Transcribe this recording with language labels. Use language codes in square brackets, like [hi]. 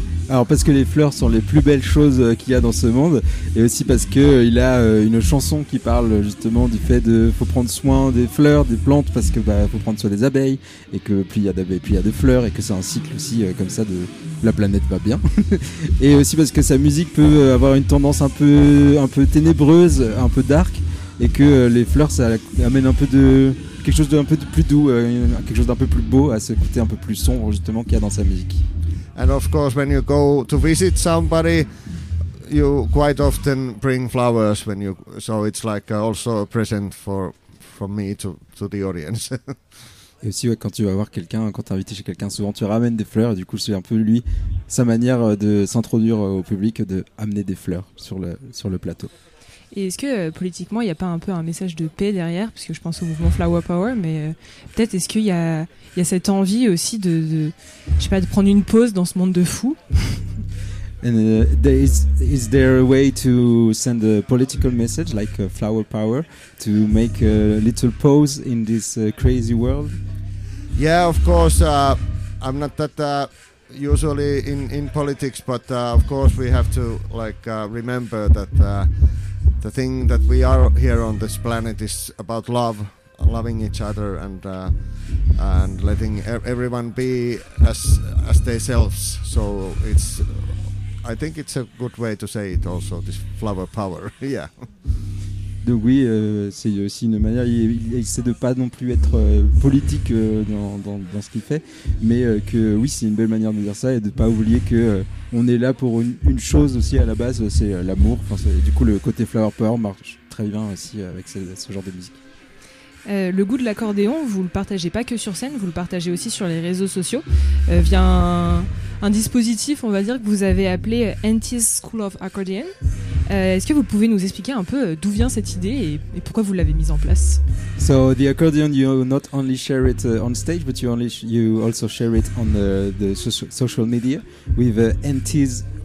[fr] Alors parce que les fleurs sont les plus belles choses qu'il y a dans ce monde, et aussi parce que il a une chanson qui parle justement du fait de faut prendre soin des fleurs, des plantes, parce que bah faut prendre soin des abeilles, et que plus il y a d'abeilles plus il y a de fleurs, et que c'est un cycle aussi comme ça, de la planète va bien. Et aussi parce que sa musique peut avoir une tendance un peu ténébreuse, un peu dark, et que les fleurs ça amène un peu de quelque chose d'un peu plus doux, quelque chose d'un peu plus beau à ce côté un peu plus sombre justement qu'il y a dans sa musique. [en] And of course, when you go to visit somebody, you quite often bring flowers. When you, so it's like also a present from me to the audience. [fr] Et aussi, ouais, quand tu vas voir quelqu'un, quand t'es invité chez quelqu'un, souvent tu ramènes des fleurs. Et du coup, c'est un peu lui, sa manière de s'introduire au public, de amener des fleurs sur le plateau. Et est-ce que politiquement, il n'y a pas un peu un message de paix derrière, parce que je pense au mouvement Flower Power, mais peut-être est-ce qu'il y a cette envie aussi de je sais pas, de prendre une pause dans ce monde de fous. [en] And is there a way to send a political message like Flower Power to make a little pause in this crazy world? Yeah, of course. I'm not that usually in politics, but of course we have to like remember that. The thing that we are here on this planet is about love, loving each other, and letting everyone be as themselves. So it's, I think it's a good way to say it. Also, this flower power. Yeah. [fr] Donc oui, c'est aussi une manière, il essaie de pas non plus être politique dans ce qu'il fait, mais que oui, c'est une belle manière de dire ça et de pas oublier que on est là pour une chose aussi à la base, c'est l'amour. Enfin, c'est, du coup, le côté flower power marche très bien aussi avec ce genre de musique. Le goût de l'accordéon, vous le partagez pas que sur scène, vous le partagez aussi sur les réseaux sociaux via un dispositif, on va dire, que vous avez appelé Antti's School of Accordion. Est-ce que vous pouvez nous expliquer un peu d'où vient cette idée et pourquoi vous l'avez mise en place? [en] So the accordion, you not only share it on stage, but you also share it on the social media with Antti's